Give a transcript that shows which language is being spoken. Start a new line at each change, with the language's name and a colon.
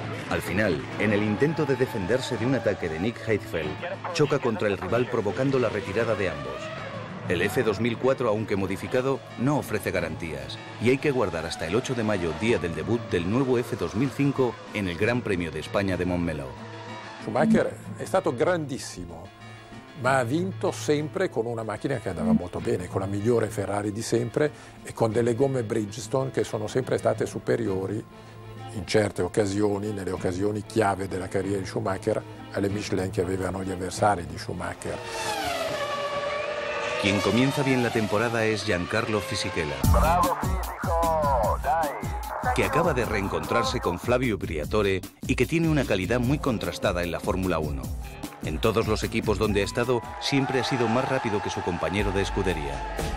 Spanish: Al final, en el intento de defenderse de un ataque de Nick Heidfeld, choca contra el rival provocando la retirada de ambos. El F2004, aunque modificado, no ofrece garantías y hay que aguardar hasta el 8 de mayo, día del debut del nuevo F2005 en el Gran Premio de España de Montmeló.
Italian: Schumacher es stato grandissimo, ma ha vinto sempre con una macchina che andava molto bene, con la migliore Ferrari di sempre e con delle gomme Bridgestone che sono sempre state superiori in certe occasioni, nelle occasioni chiave della carriera di Schumacher, alle Michelin che avevano gli avversari di Schumacher.
Spanish: Quien comienza bien la temporada es Giancarlo Fisichella. Que acaba de reencontrarse con Flavio Briatore y que tiene una calidad muy contrastada en la Fórmula 1. En todos los equipos donde ha estado, siempre ha sido más rápido que su compañero de escudería.